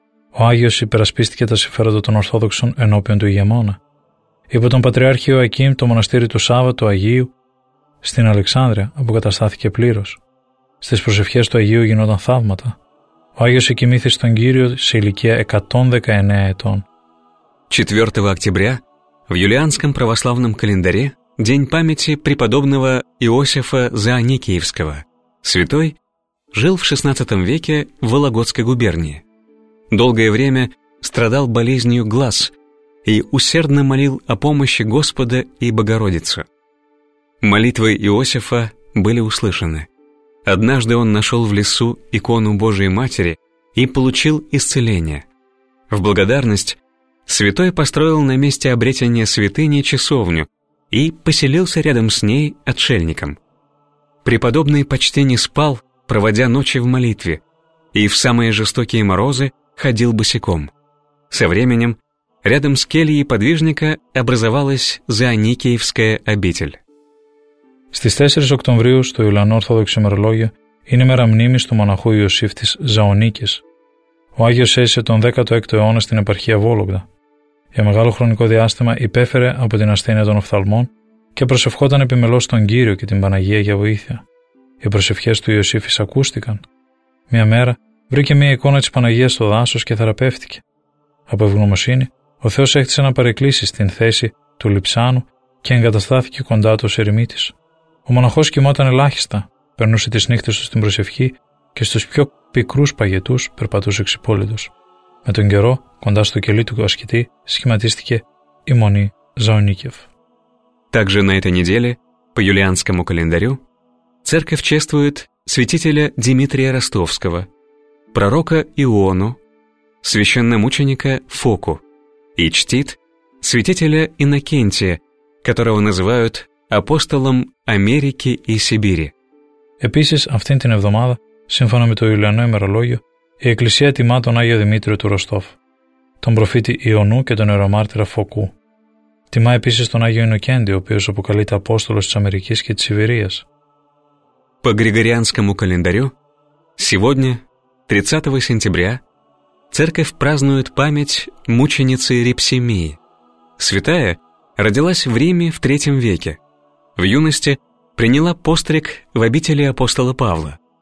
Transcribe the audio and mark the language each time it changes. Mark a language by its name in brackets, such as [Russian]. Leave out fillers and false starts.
[Greek] Ο Άγιος υπερασπίστηκε τα συμφέροντα των Ορθόδοξων ενώπιον του ηγεμόνα. Υπό τον Πατριάρχη Ιωακήμ το μοναστήρι του Σάββα του Αγίου στην Αλεξάνδρεια αποκαταστάθηκε πλήρως. Στις προσευχές του Αγίου γινόταν θαύματα. Ο Άγιος εκοιμήθη στον Κύριο σε ηλικία 119 ετών. [Russian] 4 октября в юлианском православном календаре день памяти преподобного Иосифа Зооникиевского. Святой жил в 16 веке в Вологодской губернии. Долгое время страдал болезнью глаз и усердно молил о помощи Господа и Богородицы. Молитвы Иосифа были услышаны. Однажды он нашел в лесу икону Божией Матери и получил исцеление. В благодарность святой построил на месте обретения святыни часовню и поселился рядом с ней отшельником. Преподобный почти не спал, проводя ночи в молитве, и в самые жестокие морозы ходил босиком. Со временем рядом с кельей подвижника образовалась Зооникиевская обитель. [Greek] Στις 4 Οκτωβρίου στο Ιουλιανό Ορθόδοξο ημερολόγιο είναι η μέρα μνήμης του μοναχού Ιωσήφ της Ζαονίκης. Ο Άγιος έζησε τον 16ο αιώνα στην επαρχία Βόλογδα. Για μεγάλο χρονικό διάστημα υπέφερε από την ασθένεια των οφθαλμών και προσευχόταν επιμελώς τον Κύριο και την Παναγία για βοήθεια. Οι προσευχές του Ιωσήφ εισακούστηκαν. Μια μέρα βρήκε μια εικόνα της Παναγίας στο δάσος και θεραπεύτηκε. Από ευγνωμοσύνη, ο Θεός έχτισε να παρεκκλήσει στην θέση του Λιψάνου και εγκαταστάθηκε κοντά του ως ερημίτης. Ο μοναχός κοιμόταν ελάχιστα, περνούσε τις νύχτες του στην προσευχή και στους πιο πικρούς παγετούς περπατούσε ξυπόλυτος. Με τον καιρό, κοντά στο κελί του ασκητή, σχηματίστηκε η μονή Ζαονίκευ. [Russian] Также на этой неделе, по юлианскому календарю, церковь чествует святителя Дмитрия Ростовского, пророка Иону, священномученика Фоку и чтит святителя Иннокентия, которого называют Апостолом Америки и Сибири. [Greek] Επίσης, αυτήν την εβδομάδα, σύμφωνα με το Ιουλιανό ημερολόγιο, η Εκκλησία τιμά τον Άγιο Δημήτριο του Ρωστόφ, τον προφήτη Ιωνού και τον ιερομάρτυρα Φωκού. Τιμά επίσης τον Άγιο Ινοκέντη, ο οποίος αποκαλείται Απόστολος της Αμερικής και της Σιβηρίας. [Russian] По григорианскому календарю, сегодня, 30 сентября, церковь празднует память мученицы Репсимии. Святая родилась в Риме в 3 веке. В юности приняла постриг в обители апостола Павла.